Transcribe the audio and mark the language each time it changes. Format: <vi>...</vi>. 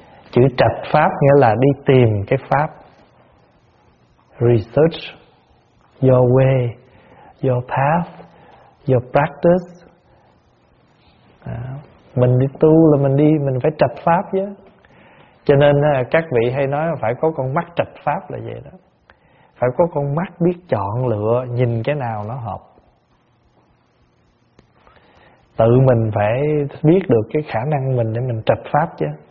<vi>Chữ trạch pháp nghĩa là đi tìm cái pháp.</vi> <en>Research your way, your path, your practice.</en> <vi>Mình đi tu là mình phải trạch pháp chứ. Cho nên các vị hay nói phải có con mắt trạch pháp là vậy đó. Phải có con mắt biết chọn lựa, nhìn cái nào nó hợp. Tự mình phải biết được cái khả năng mình để mình trạch pháp chứ.</vi>